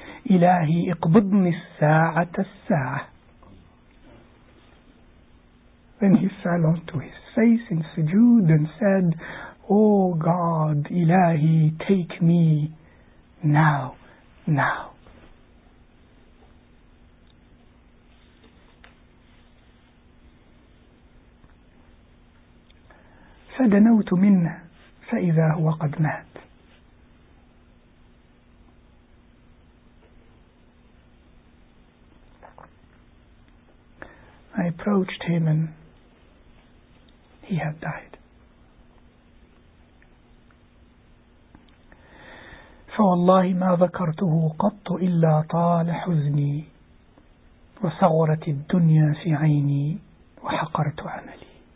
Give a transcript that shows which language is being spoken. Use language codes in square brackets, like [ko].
[ar] إلهي اقبضني الساعة الساعة. [en] Then he fell onto his face in sujood and said, Oh God, [ar] إلهي, [en] take me now, now. [ar] فدنوت منه فإذا هو قد مات. [en] I approached him and he had died. [ar] فوالله ما ذكرته قط إلا طال حزني وصغرت الدنيا في عيني وحقرت عملي.